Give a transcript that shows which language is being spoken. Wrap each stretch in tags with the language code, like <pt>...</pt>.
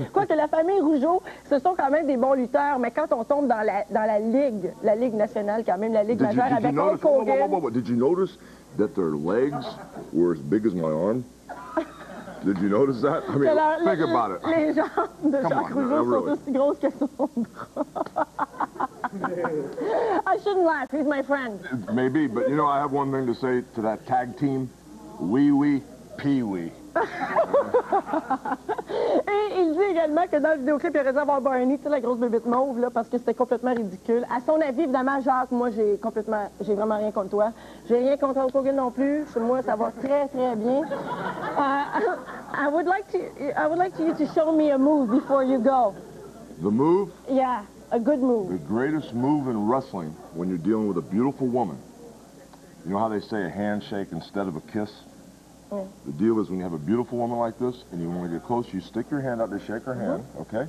<fr>Quoique la famille Rougeau, ce sont quand même des bons lutteurs, mais quand on tombe dans la Ligue nationale quand même, la Ligue majeure avec Hulk Hogan...</fr> <en>Whoa. Did you notice that their legs were as big as my arm? Did you notice that? I mean,</en> <fr>alors,</fr> <en>think about it.</en> <fr>Les jambes de</fr> <en>Come</en> <fr>Jacques</fr> <en>on,</en> <fr>Rougeau</fr> <en>no, really.</en> <fr>Sont aussi grosses que son bras.</fr> <en>I shouldn't laugh. He's my friend. Maybe, but you know, I have one thing to say to that tag team. Wee-wee, pee-wee.</en> <fr>Et il dit également que dans le vidéoclip, il aurait dû avoir Barney, tu sais, la grosse bébête mauve, là, parce que c'était complètement ridicule. À son avis, évidemment, Jacques, moi, j'ai vraiment rien contre toi. J'ai rien contre Hulk Hogan non plus. Chez moi, ça va très, très bien.</fr> <en>I would like you to show me a move before you go. The move? Yeah. A good move. The greatest move in wrestling when you're dealing with a beautiful woman. You know how they say a handshake instead of a kiss? Yeah. The deal is when you have a beautiful woman like this and you want to get close, you stick your hand out to shake her hand, okay?</en>